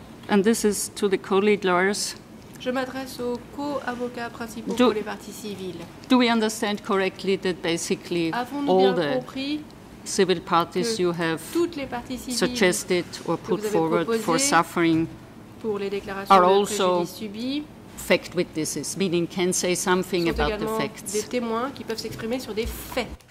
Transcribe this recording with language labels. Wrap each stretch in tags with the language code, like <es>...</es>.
<en>And this is to the co-lead lawyers.</en> <fr>Je m'adresse aux co-avocats principaux pour les parties civiles.</fr> <en>Do we understand correctly that basically all the civil parties you have suggested or put forward for suffering</en> <fr>pour les déclarations</fr> <en>are also fact witnesses, meaning can say something about the facts?</en> <fr>Des témoins qui peuvent s'exprimer sur des faits.</fr>